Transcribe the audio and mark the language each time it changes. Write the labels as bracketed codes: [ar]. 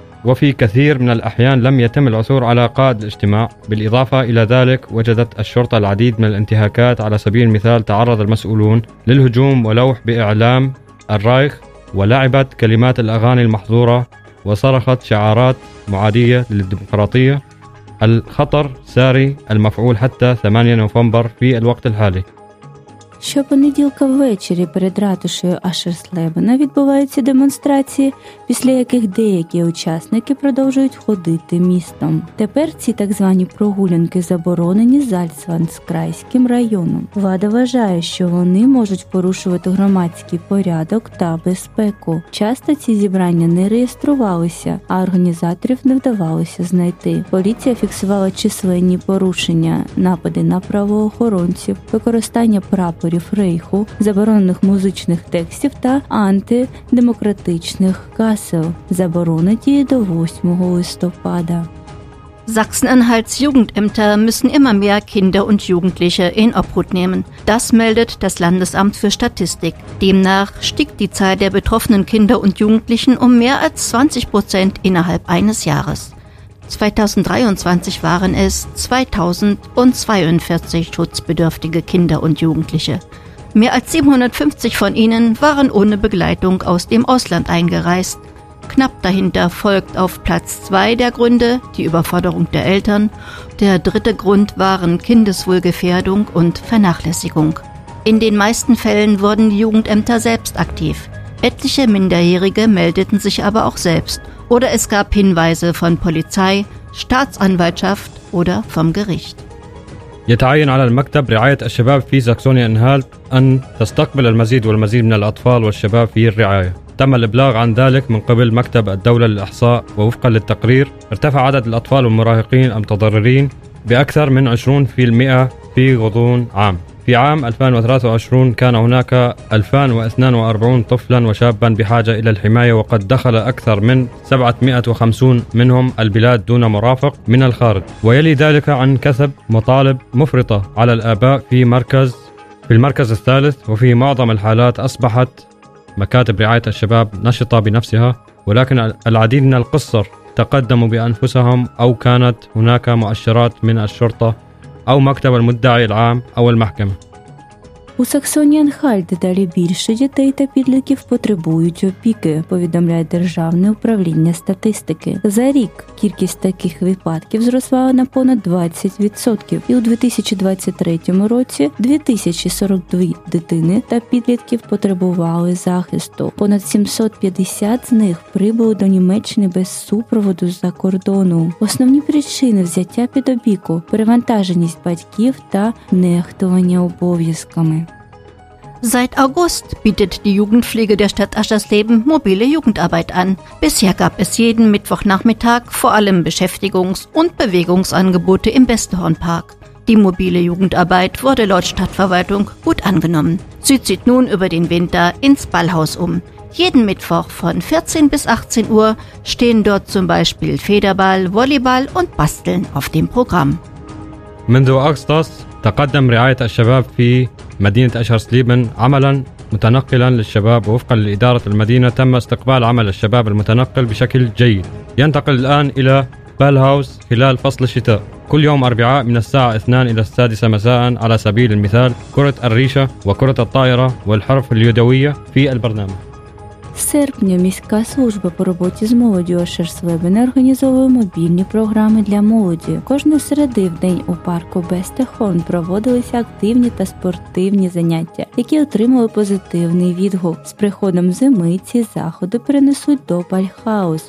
[ar] وفي كثير من الأحيان لم يتم العثور على قائد الاجتماع بالإضافة إلى ذلك وجدت الشرطة العديد من الانتهاكات على سبيل المثال تعرض المسؤولون للهجوم ولوح بإعلام الرايخ ولعبت كلمات الأغاني المحظورة وصرخت شعارات معادية للديمقراطية الخطر ساري المفعول حتى 8 نوفمبر في الوقت الحالي [uk] Щопонеділка ввечері перед ратушею Ашерслебена відбуваються демонстрації, після яких деякі учасники продовжують ходити містом. Тепер ці так звані прогулянки заборонені Зальцландскрайським районом. Влада вважає, що вони можуть порушувати громадський порядок та безпеку. Часто ці зібрання не реєструвалися, а організаторів не вдавалося знайти. Поліція фіксувала численні порушення, напади на правоохоронців, використання прапорів, рейху, заборонених музичних текстів та антидемократичних касел. Заборона діє до 8 листопада. [de] Sachsen-Anhalts Jugendämter müssen immer mehr Kinder und Jugendliche in Obhut nehmen. Das meldet das Landesamt für Statistik. Demnach stieg die Zahl der betroffenen Kinder und Jugendlichen um mehr als 20% innerhalb eines Jahres. 2023 waren es 2042 schutzbedürftige Kinder und Jugendliche. Mehr als 750 von ihnen waren ohne Begleitung aus dem Ausland eingereist. Knapp dahinter folgt auf Platz 2 der Gründe die Überforderung der Eltern. Der dritte Grund waren Kindeswohlgefährdung und Vernachlässigung. In den meisten Fällen wurden die Jugendämter selbst aktiv. Etliche Minderjährige meldeten sich aber auch selbst. Oder es gab Hinweise von Polizei, Staatsanwaltschaft oder vom Gericht. [ar] يتعين على المكتب رعاية الشباب في ساكسونيا أنهالت أن تستقبل المزيد والمزيد من الأطفال والشباب في الرعاية. تم الإبلاغ عن ذلك من قبل مكتب الدولة للإحصاء ووفقا للتقرير ارتفع عدد الأطفال والمراهقين المتضررين بأكثر من 20% في غضون عام. في عام 2023 كان هناك 2042 طفلا وشابا بحاجة إلى الحماية وقد دخل أكثر من 750 منهم البلاد دون مرافق من الخارج ويلي ذلك عن كثب مطالب مفرطة على الآباء في المركز الثالث وفي معظم الحالات أصبحت مكاتب رعاية الشباب نشطة بنفسها ولكن العديد من القصر تقدموا بأنفسهم أو كانت هناك مؤشرات من الشرطة أو مكتب المدعي العام أو المحكمة. [uk] У Саксонії-Анхальті далі більше дітей та підлітків потребують опіки, повідомляє Державне управління статистики. За рік кількість таких випадків зросла на понад 20%, і у 2023 році 2042 дитини та підлітків потребували захисту. Понад 750 з них прибули до Німеччини без супроводу з-за кордону. Основні причини взяття під опіку – перевантаженість батьків та нехтування обов'язками. [de] Seit August bietet die Jugendpflege der Stadt Aschersleben mobile Jugendarbeit an. Bisher gab es jeden Mittwochnachmittag vor allem Beschäftigungs- und Bewegungsangebote im Westhornpark. Die mobile Jugendarbeit wurde laut Stadtverwaltung gut angenommen. Sie zieht nun über den Winter ins Ballhaus um. Jeden Mittwoch von 14 bis 18 Uhr stehen dort zum Beispiel Federball, Volleyball und Basteln auf dem Programm. Wenn du sagst, [ar] تقدم رعاية الشباب في مدينة أشهرسليبن عملا متنقلا للشباب وفقا لإدارة المدينة تم استقبال عمل الشباب المتنقل بشكل جيد ينتقل الآن إلى بالهاوس خلال فصل الشتاء كل يوم أربعاء من الساعة 2 إلى 6 مساء على سبيل المثال كرة الريشة وكرة الطائرة والحرف اليدوية في البرنامج [uk] З серпня міська служба по роботі з молоддю Аширслебене організовує мобільні програми для молоді. Кожної середи в день у парку Бестехорн проводилися активні та спортивні заняття, які отримали позитивний відгук. З приходом зими ці заходи перенесуть до Бальхаус.